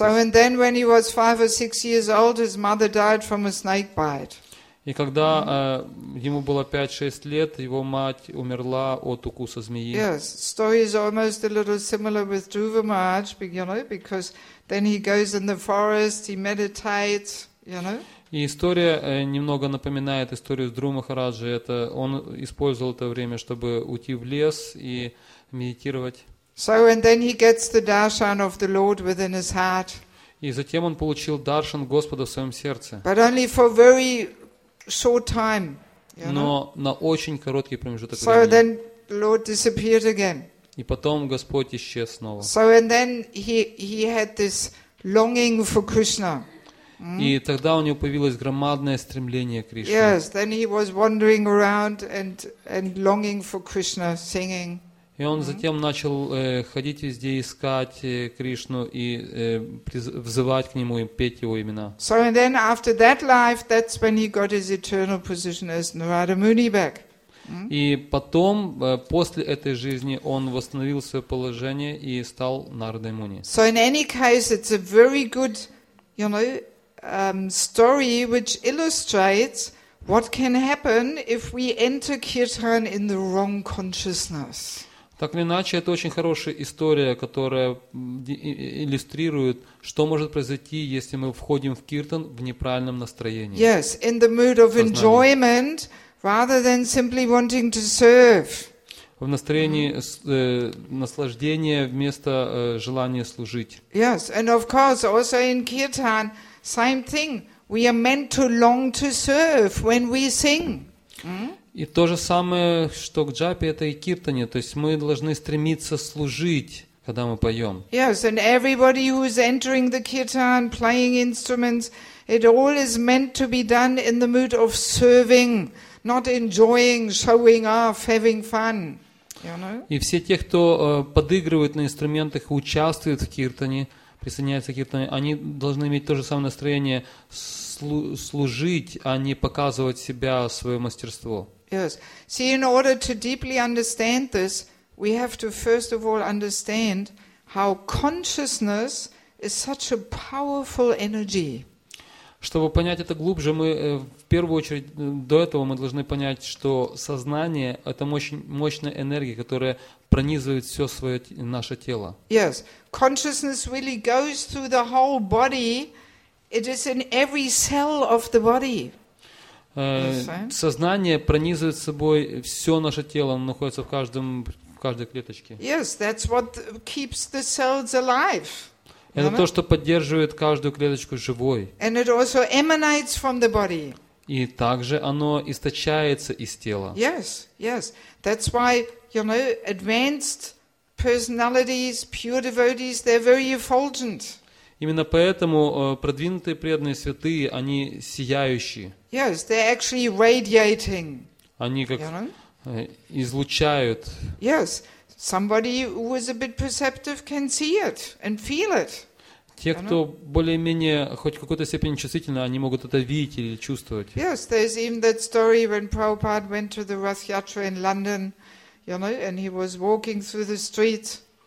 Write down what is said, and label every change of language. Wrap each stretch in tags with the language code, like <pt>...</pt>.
<en>So and then when he was 5 or 6 years old, his mother died from a snake bite.</en> <ru>И когда ему было 5-6 лет, его мать умерла от укуса змеи.</ru> <en>Yes, story is almost a little similar with Dhruva Maharaj, you know, because then he goes in the forest, he meditates, you know.</en> <ru>И история немного напоминает историю с Дру Махараджи. Это он использовал это время, чтобы уйти в лес и медитировать.</ru> <en>So and then he gets the darshan of the Lord within his heart.</en> <ru>И затем он получил даршан Господа в своем сердце.</ru> <en>But only for very short time.</en> <ru>Но на очень короткий промежуток времени.</ru> <en>So then the Lord disappeared again.</en> <ru>И потом Господь исчез снова.</ru> <en>So and then he had this longing for Krishna.</en> <ru>И тогда у него появилось громадное стремление к Кришне.</ru> <en>Yes, then he was wandering around and longing for Krishna, singing.</en> <ru>И он затем начал ходить везде, искать Кришну и взывать к нему и петь его имена.</ru> <en>So and then after that life, that's when he got his eternal position as Narada Muni back.</en> <ru>И потом, после этой жизни, он восстановил свое положение и стал Нарадой Муни.</ru> <en>So in any case, it's a very good, you know, story which illustrates what can happen if we enter Kirtan in the wrong consciousness.</en> <ru>Так или иначе, это очень хорошая история, которая иллюстрирует, что может произойти, если мы входим в Киртан в неправильном настроении.</ru> <en>Yes, in the mood of enjoyment, rather than simply wanting to serve.</en> <ru>В настроении наслаждения вместо желания служить.</ru> <en>Yes, and of course, also in Kirtan, same thing. We are meant to long to serve when we sing.</en> <ru>И то же самое, что к джапе, это и киртане. То есть мы должны стремиться служить, когда мы поем.</ru> <en>Yes, and everybody who is entering the Kirtan, playing instruments, it all is meant to be done in the mood of serving, not enjoying, showing off, having fun. You know?</en> <ru>И все те, кто подыгрывает на инструментах, участвует в киртане, присоединяются к киртане, они должны иметь то же самое настроение служить, а не показывать себя, свое мастерство.</ru> <en>Yes. See, in order to deeply understand this, we have to first of all understand how consciousness is such a powerful energy.</en> <ru>Чтобы понять это глубже, мы в первую очередь до этого мы должны понять, что сознание — это мощная энергия, которая пронизывает все свое наше тело.</ru> <en>Yes, consciousness really goes through the whole body. It is in every cell of the body.</en> <ru>сознание пронизывает собой все наше тело, оно находится в каждом, в каждой клеточке.</ru> <en>Yes, that's what keeps the cells alive.</en> <ru>Это то, что поддерживает каждую клеточку живой.</ru> <en>And it also emanates from the body.</en> <ru>И также оно источается из тела.</ru> <en>Yes, yes. That's why, you know, advanced personalities, pure devotees, they're very effulgent.</en> <ru>Именно поэтому продвинутые преданные святые, они сияющие.</ru> <en>Yes, they're actually radiating.</en> <ru>Они как излучают.</ru> <en>Yes, somebody who is a bit perceptive can see it and feel it.</en> <ru>Те, кто более-менее хоть в какой-то степени чувствительны, они могут это видеть или чувствовать.</ru> <en>Yes, there's even that story when Prabhupada went to the Rath Yatra in London, you know, and he was walking through the streets.</en>